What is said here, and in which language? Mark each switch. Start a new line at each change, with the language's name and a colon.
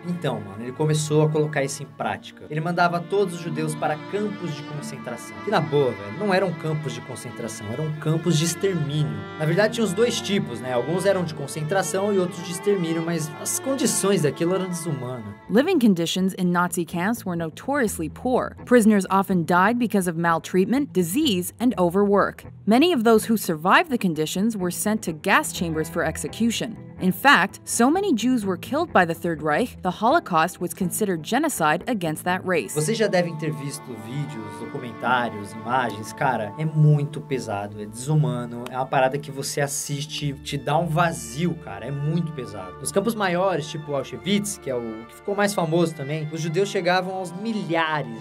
Portuguese: Então, mano, ele começou a colocar isso em prática. Ele mandava todos os judeus para campos de concentração. Que na boa, velho, não eram campos de concentração, eram campos de extermínio. Na verdade, tinha os dois tipos, né? Alguns eram de concentração e outros de extermínio, mas as condições daquilo eram desumanas.
English: Living conditions in Nazi camps were notoriously poor. Prisoners often died because of maltreatment, disease, and overwork. Many of those who survived the conditions were sent to gas chambers for execution. In fact, so many Jews were killed by the Third Reich, the Holocaust was considered genocide against that race.
Portuguese: Vocês já devem ter visto vídeos, documentários, imagens. Cara, é muito pesado, é desumano. É uma parada que você assiste e te dá um vazio, cara. É muito pesado. Nos campos maiores, tipo Auschwitz, que é o que ficou mais famoso também, os judeus chegavam aos milhares.